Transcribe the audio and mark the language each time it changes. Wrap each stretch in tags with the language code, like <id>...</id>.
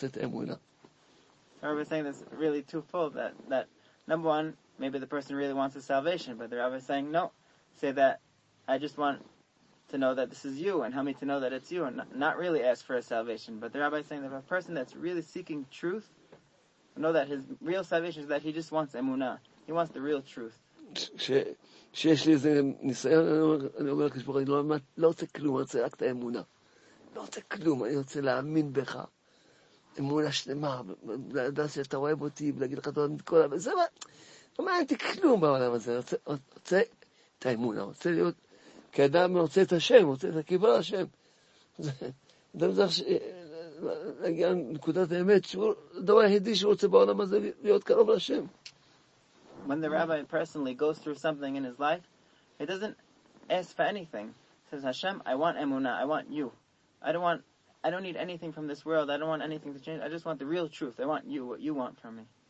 <en>The rabbi is saying this really twofold, that number one, maybe the person really wants his salvation, but the rabbi is saying, no, say that I just want to know that this is you, and help me to know that it's you, and not really ask for a salvation. But the rabbi is saying that a person that's really seeking truth, know that his real salvation is that he just wants emunah, he wants the real truth.</en> <he>שיש לי איזה ניסיון, אני אומר לך, אני לא רוצה כלום, אני רוצה רק את האמונה. לא רוצה כלום, אני רוצה להאמין בך. אמונה שלמה, לדעת שאתה אוהב אותי, ולהגיד לך את כל העולם, זה מה, לא מעניין אותי כלום בעולם הזה, רוצה את האמונה, רוצה להיות, כי אדם רוצה את השם, רוצה את הכיבור השם. אדם צריך להגיע לנקודת האמת, שהוא הדבר היחידי שהוא רוצה בעולם הזה להיות קרוב לשם.</he> <en>When the rabbi personally goes through something in his life, he doesn't ask for anything. He says, Hashem, I want Emunah, I want you. I don't need anything from this world, I don't want anything to change, I just want the real truth, I want you, what you want from me.</en>